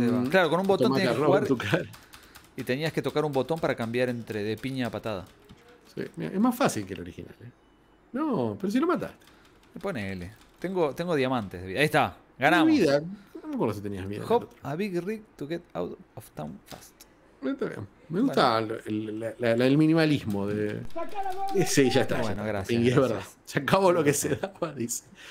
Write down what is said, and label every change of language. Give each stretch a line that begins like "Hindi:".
Spanish: Claro, con un botón tenías que jugar y tenías que tocar un botón para cambiar entre de piña a patada. Sí, mira, es más fácil que el original, ¿eh? No, pero si lo mataste. Pone L. Tengo diamantes de vida. Ahí está, ganamos. ¿Tenés vida? No me acuerdo si tenías vida.
English: Hop a big rig to get out of town fast.
Spanish: Está bien. Me gusta el minimalismo de. Sí, ya está. Bueno, ya está. Gracias. Y es verdad. Se acabó lo que se daba, dice.